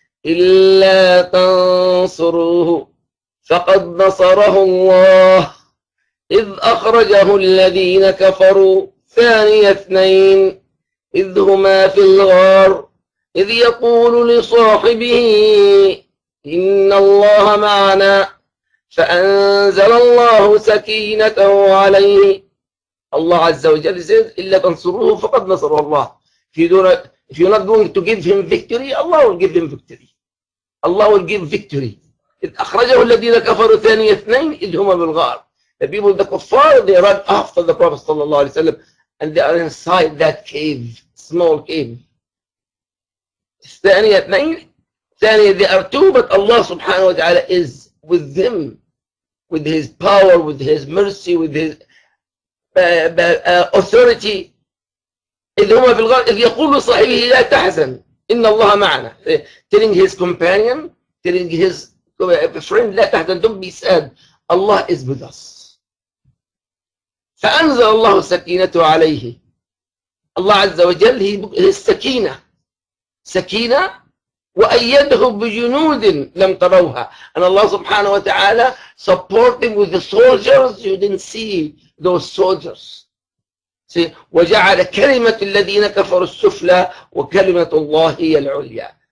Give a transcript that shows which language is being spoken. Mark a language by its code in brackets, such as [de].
[ar] إلا تنصروه فقد نصره الله إذ أخرجه الذين كفروا ثاني اثنين إذ هما في الغار إذ يقول لصاحبه إن الله معنا فأنزل الله سكينته عليه. الله عز وجل [en] says [ar] إلا تنصروه فقد نصره الله. [en] If you're not going to give him victory, Allah will give him victory. Allah will give victory. [ar] إذ أخرجه الذين كفروا ثاني اثنين إذ هما بالغار. [en] The people, the kuffar, they run after the Prophet [ar] صلى الله عليه وسلم [en] and they are inside that cave, small cave. [ar] ثانية اثنين ثانية [en] they are two, but Allah subhanahu wa ta'ala is with them, with his power, with his mercy, with his authority. [ar] إذ هما في الغار إذ يقول لصاحبه لا تحزن إن الله معنا. [en] Telling his companion, telling his friend, [ar] لا تحزن, [en] don't be sad, Allah is with us. [ar] فأنزل الله سكينته عليه. الله عز وجل هي السكينة. سكينة وأيده بجنود لم تروها. [en] And Allah [ar] سبحانه وتعالى [en] supporting with the soldiers you didn't see those soldiers. See, [ar] وجعل كلمة الذين كفروا السفلى وكلمة الله هي العليا.